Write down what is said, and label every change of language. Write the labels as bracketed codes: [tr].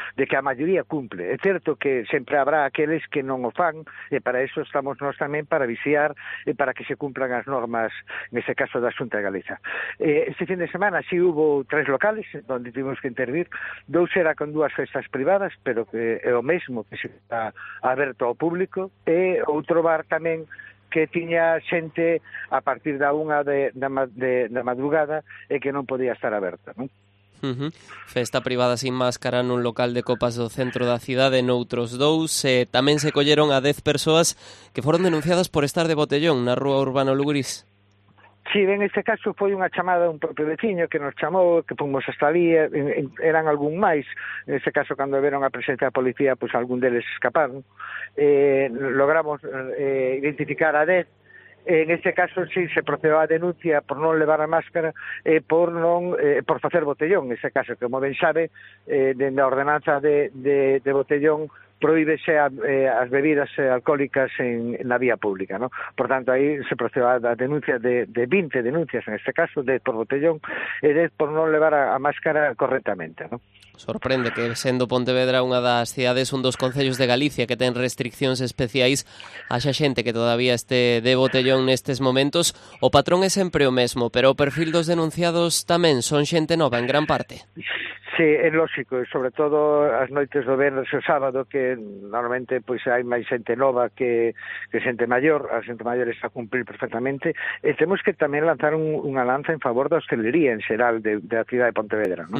[es] De que a mayoría cumple. Es cierto que siempre habrá aquellos que no lo fan, y para eso estamos nosotros también, para viciar y para que se cumplan las normas, en este caso de Asunta de Galicia. Este fin de semana sí hubo 3 locales donde tuvimos que intervir. 2 era con 2 festas privadas, pero que es lo mismo que se está abierto al público. [gl] E otro bar también que tiña xente a partir da unha de madrugada e que non podía estar aberta, non? Uh-huh. Festa privada sin máscara nun local de copas do centro da cidade noutros 2. Tamén se colleron a 10 persoas que foron denunciadas por estar de botellón na rúa Urbano Lugris. Sí, en este caso foi unha chamada un propio veciño que nos chamou, que fomos hasta ali, eran algún máis. En este caso, cando veron a presencia da policía, pois algún deles escaparon. Logramos identificar a 10. En este caso, sí, se procedeu a denuncia por non levar a máscara e por facer botellón. En este caso, como ben sabe, dende a ordenanza de botellón, prohíbese as bebidas alcohólicas na vía pública, ¿no? Por tanto, aí se procedeu a denuncia de 20 denuncias, en este caso, de por botellón e de por non levar a máscara correctamente, ¿no? Sorprende que, sendo Pontevedra unha das cidades, un dos concellos de Galicia que ten restriccións especiais, haxa xente que todavía este de botellón nestes momentos. O patrón é sempre o mesmo, pero o perfil dos denunciados tamén son xente nova, en gran parte. Sí, é lógico, sobre todo as noites do venres e o sábado, que normalmente pois hai máis xente nova que xente maior, a xente maior está a cumplir perfectamente, e temos que tamén lanzar unha lanza en favor da hostelería en xeral da cidade de Pontevedra, ¿no?